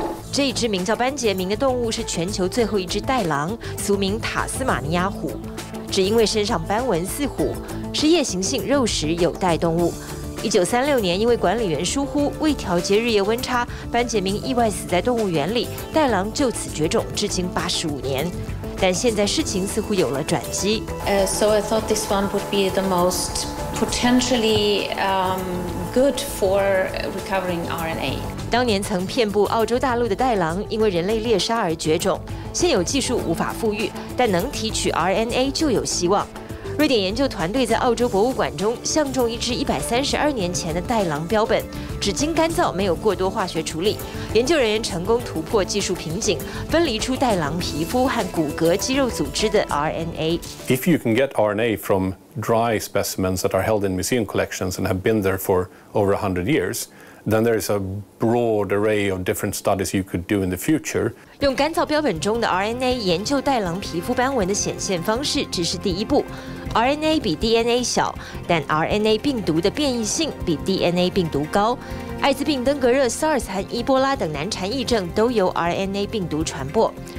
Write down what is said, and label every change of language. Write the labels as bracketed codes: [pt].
[zh] 这只名叫班杰明的动物是全球最后一只袋狼，俗名塔斯马尼亚虎，只因为身上斑纹似虎，是夜行性肉食有袋动物。 1936年，因为管理员疏忽，未调节日夜温差，班杰明意外死在动物园里，袋狼就此绝种，至今85年。但现在事情似乎有了转机。 [en] So I thought this one would be the most potentially good for recovering RNA. [zh] 当年曾遍布澳洲大陆的袋狼，因为人类猎杀而绝种，现有技术无法复育，但能提取 RNA 就有希望。瑞典研究团队在澳洲博物馆中相中一只132年前的袋狼标本，纸巾干燥，没有过多化学处理，研究人员成功突破技术瓶颈，分离出袋狼皮肤和骨骼肌肉组织的 RNA。 [en] If you can get RNA from dry specimens that are held in museum collections and have been there for over 100 yearsThen there is a broad array of different studies you could do in the future. [zh] 用干燥标本中的 RNA 研究袋狼皮肤斑纹的显现方式只是第一步。 RNA 比 DNA 小，但 RNA 病毒的变异性比 DNA 病毒高。艾滋病、登革热、SARS 和伊波拉等难缠疫症都由 RNA 病毒传播。